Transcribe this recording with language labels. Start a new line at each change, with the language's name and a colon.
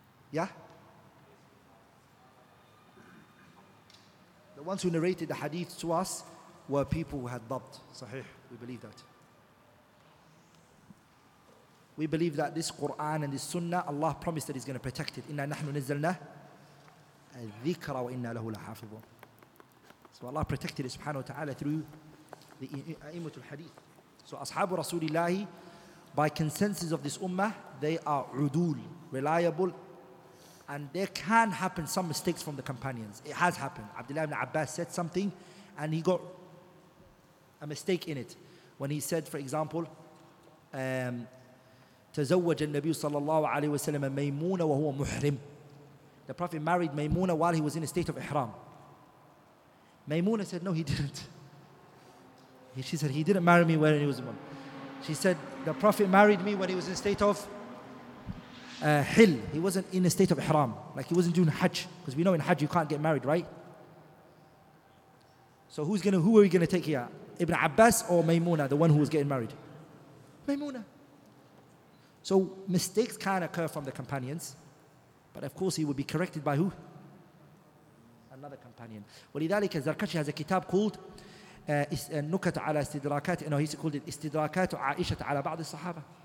English: Yeah? The ones who narrated the hadith to us were people who had dabt. Sahih. We believe that. We believe that this Quran and this Sunnah, Allah promised that He's going to protect it.
Arabic: إِنَّا نَحْنُ نَزَّلْنَا الذكر وإنا له لحافظون.
English: So Allah protected it, subhanahu wa ta'ala, through the a'imatul hadith. So ashabu rasulillahi, by consensus of this ummah, they are udul, reliable, and there can happen some mistakes from the companions. It has happened. Abdullah ibn Abbas said something and he got a mistake in it when he said, for example, تزوج النبي صلى الله عليه وسلم ميمون وهو محرم. The Prophet married Maymuna while he was in a state of ihram. Maymuna said, no, he didn't. She said, he didn't marry me when he was a woman. She said, the Prophet married me when he was in a state of hil. He wasn't in a state of ihram. Like he wasn't doing hajj. Because we know in hajj you can't get married, right? So who are we going to take here? Ibn Abbas or Maymuna, the one who was getting married? Maymuna. So mistakes can occur from the companions, but of course he would be corrected by who? Another companion. ولذلك الزركشي has a kitab called نكت على استدراكات. No, he called it استدراكات عائشة على بعض الصحابة.